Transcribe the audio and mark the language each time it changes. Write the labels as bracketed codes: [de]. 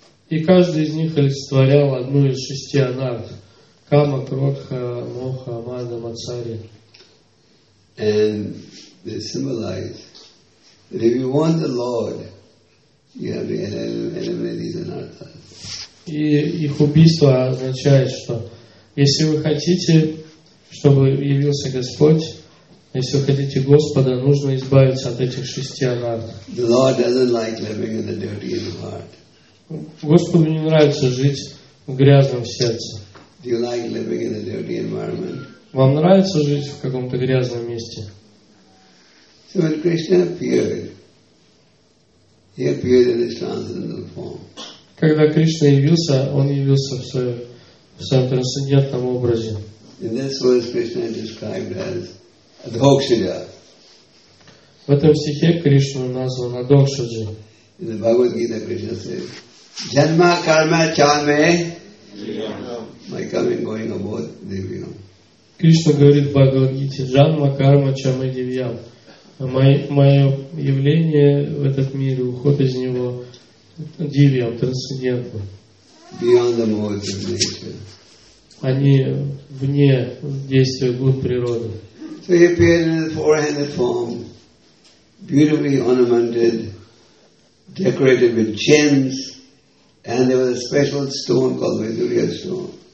[ru] И каждый из них олицетворял одну из шести анарх: Кама, Кротха, Моха, Мада, Мацари. [en] And they symbolize that if you want the Lord, you have to eliminate these anarthas. [ru] И их убийство означает, что если вы хотите, чтобы явился Господь, если вы хотите Господа, нужно избавиться от этих шести анарх. [en] The Lord doesn't like living in the dirty in the heart. [ru] Господу не нравится жить в грязном сердце. [en] Do you like living in a dirty environment? [ru] Вам нравится жить в каком-то грязном месте? [en] So when Krishna appeared, he appeared in his transcendental form. [ru] Когда Кришна явился, он явился в своем трансцендентном образе. [en] In this verse, Krishna is described as Adhokshaja. [ru] В этом стихе Кришна назван Адхокшаджи. [en] In the Bhagavad Gita, Krishna says, [sa] "Janma karma chame, [en] my coming going about divyam." [ru] Кришна говорит в Бхагавад-гите: "Джанма, карма, чама, дивьям». Мое явление в этот мир и уход из него дивьям, трансцендентно. [en] Beyond the modes of nature. [ru] Они вне действия гун природы. [en] So he appeared in a four-handed form, beautifully ornamented, decorated with gems, and there was a special stone called Vaidurya stone.